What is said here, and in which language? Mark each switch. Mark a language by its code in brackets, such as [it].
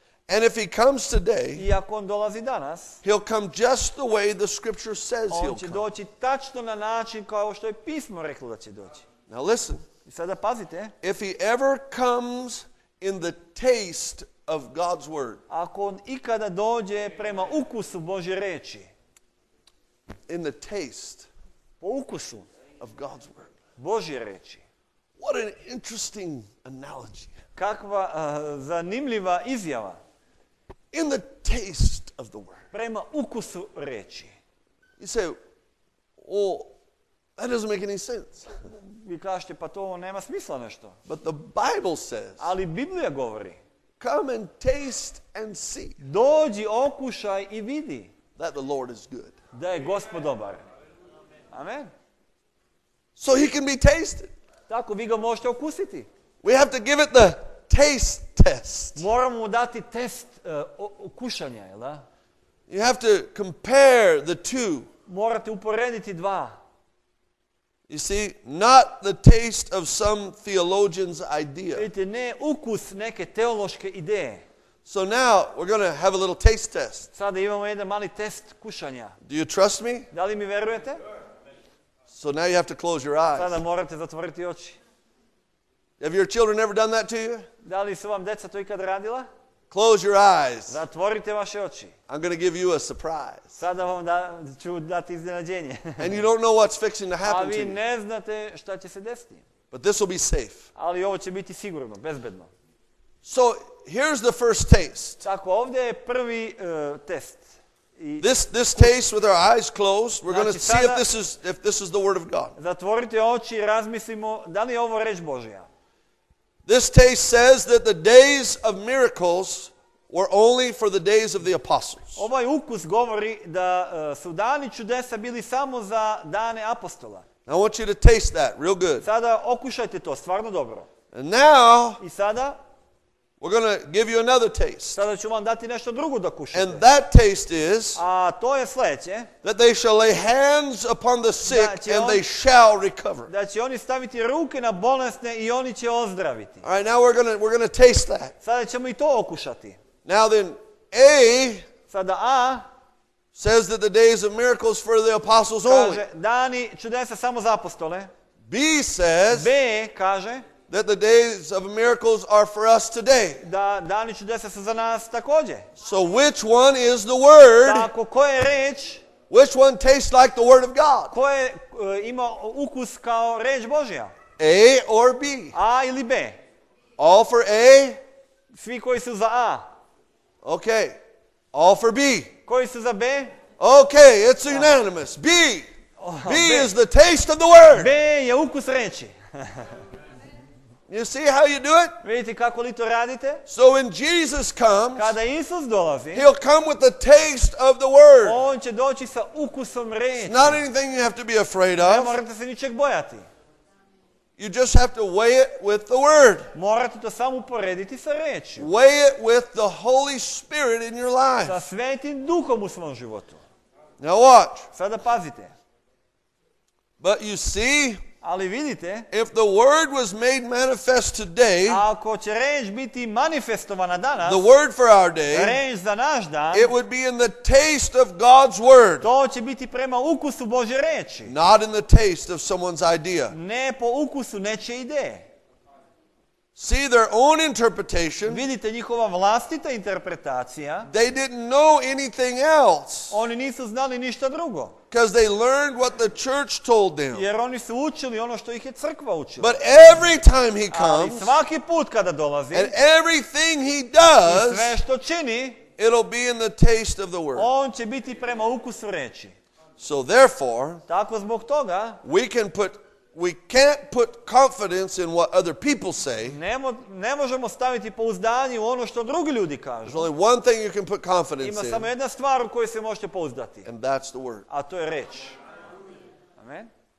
[en] And if he comes today, [sr] i ako on dolazi danas, [en] he'll come just the way the scripture says he'll come. [sr] On će doći tačno na način kao što je pismo reklo da će doći. [en] Now listen. [sr] I sada pazite. [en] If he ever comes in the taste of God's word, [sr] ako on ikada dođe prema ukusu Božje reči, [en] in the taste, [sr] po ukusu [en] of God's word, [sr] Božje reči, [en] what an interesting analogy. [sr] Kakva zanimljiva izjava. [en] In the taste of the word. [sr] Prema ukusu reči. [en] You say, oh, that doesn't make any sense. [sr] Vi kažete, pa to nema smisla nešto. [en] But the Bible says. [sr] Ali Biblija govori. [en] Come and taste and see. [sr] Dođi, okušaj i vidi. [en] That the Lord is good. [sr] Da je Gospod dobar. Amen. [en] So he can be tasted. [sr] Tako, vi ga možete okusiti. [en] We have to give it the taste test. [sr] Moramo mu dati test okušanja, jel da? [en] You have to compare the two. [sr] Morate uporediti dva. [en] You see, not the taste of some theologian's idea. [sr] Vidite, ne ukus neke teološke ideje. [en] So now, we're going to have a little taste test. [sr] Sada imamo jedan mali test kušanja. [en] Do you trust me? [sr] Da li mi verujete? [en] So now you have to close your eyes. [sr] Sada morate zatvoriti oči. [en] Have your children ever done that to you? [sr] Da li su vam deca to ikad radila? [en] Close your eyes. [sr] Zatvorite vaše oči. [en] I'm going to give you a surprise. [sr] Sada vam ću dati iznenađenje. [en] And you don't know what's fixing to happen to you. [sr] A vi ne znate šta će se desiti. [en] But this will be safe. [sr] Ali ovo će biti sigurno, bezbedno. [en] So here's the first taste. [sr] Tako, ovdje je prvi test. [en] This taste with our eyes closed, we're going to see if this is the word of God. [sr] Zatvorite oči i razmislimo da li je ovo reč Božja. [en] This taste says that the days of miracles were only for the days of the apostles. [sr] Ovaj ukus govori da su dani čudesa bili samo za dane apostola. [en] I want you to taste that real good. [sr] Sada okušajte to, stvarno dobro. [en] And now, [sr] i sada [en] we're going to give you another taste. [sr] Sada ću vam dati nešto drugo da kušate. [en] And that taste is, [sr] a to je sledeće, [en] that they shall lay hands upon the sick and they shall recover. [sr] Da će oni staviti ruke na bolesne i oni će ozdraviti. [en] All right, now we're going to taste that. [sr] Sada ćemo i to okušati. [en] Now then, A, [sr] sada A [en] says that the days of miracles for the apostles [sr] kaže, [en] only. [sr] Kaže, dani čudesa samo za apostole. [en] B says, [sr] B kaže, [en] that the days of miracles are for us today. [sr] Da dani čudesa su za nas također. [en] So which one is the word? [sr] Tako, koje reč? [en] Which one tastes like the word of God? [sr] Koje ima ukus kao reč Božja? [en] A or B? [sr] A ili B? [en] All for A? [sr] Svi koji su za A. [en] Okay. All for B? [sr] Koji su za B? [en] Okay, it's unanimous. B. B. B is the taste of the word. [sr] B je ukus reči. [en] You see how you do it? [sr] Vidite kako li to radite? [en] So when Jesus comes, [sr] kada Isus dolazi, [en] he'll come with the taste of the word. [sr] On će doći sa ukusom reči. [en] It's not anything you have to be afraid of. [sr] Ne morate se ničeg bojati. [en] You just have to weigh it with the word. [sr] Morate to samo porediti sa rečju. [en] Weigh it with the Holy Spirit in your life. [sr] Sa Svetim Duhom u svom životu. [en] Now watch. [sr] Sada pazite. [en] But you see, [sr] ali vidite, [en] if the word was made manifest today, [sr] ako će reč biti manifestovana danas, [en] the word for our day, [sr] reč za naš dan, [en] it would be in the taste of God's word. [sr] To će biti prema ukusu Božje reči. [en] Not in the taste of someone's idea. [sr] Ne po ukusu nečije ideje. [en] See their own interpretation. [sr] Vidite njihova vlastita interpretacija. [en] They didn't know anything else. [sr] Oni nisu znali ništa drugo. [en] Because they learned what the church told them. [sr] Jer oni su učili ono što ih je crkva učila. [en] But every time he comes, [sr] ali svaki put kada dolazi, [en] and everything he does, [sr] sve što čini, [en] it'll be in the taste of the word. [sr] On će biti prema ukusu reči. [en] So therefore, [sr] tako zbog toga, [en] we can't put confidence in what other people say. [sr] Ne možemo staviti pouzdanje u ono što drugi ljudi kažu. [en] There's only one thing you can put confidence in. [sr] Ima samo jedna stvar u kojoj se možete pouzdati. [en] And that's the word. [sr] A to je reč. Amen.